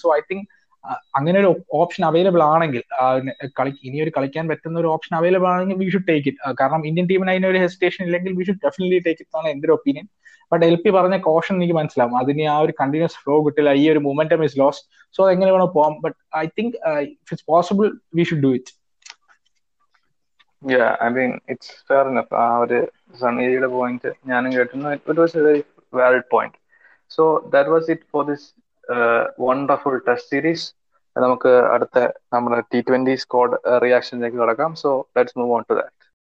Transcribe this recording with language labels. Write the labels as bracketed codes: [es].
[en] so I think [ml] അങ്ങനെ ഒരു option available ആണെങ്കിൽ ഇനിയൊരു കളിക്കാൻ പറ്റുന്ന ഒരു ഓപ്ഷൻ അവൈലബിൾ ആണെങ്കിൽ [en] We should take it. [ml] കാരണം ഇന്ത്യൻ ടീമിന് അതിന് ഒരു ഹെസിറ്റേഷൻ ഇല്ലെങ്കിൽ [en] we should definitely take it [ml] എന്നാണ് എന്റെ ഒരു ഒപ്പീനിയൻ. ബട്ട് എൽ പി പറഞ്ഞ കോഷൻ എനിക്ക് മനസ്സിലാവും, അതിന് ആ ഒരു കണ്ടിന്യൂസ് ഫ്ലോ കിട്ടില്ല, ഈ ഒരു [en] Momentum is lost. So [ml] എങ്ങനെ വേണോ പോവാം, [en] But I think if it's possible we should do it. Yeah, I mean, it's fair enough. Our Sunny's point, it was a very valid point. So that was it for this wonderful test series. [ml] നമുക്ക് അടുത്ത നമ്മുടെ T20 squad റിയാക്ഷനിലേക്ക് കടക്കാം. [en] So let's move on to that.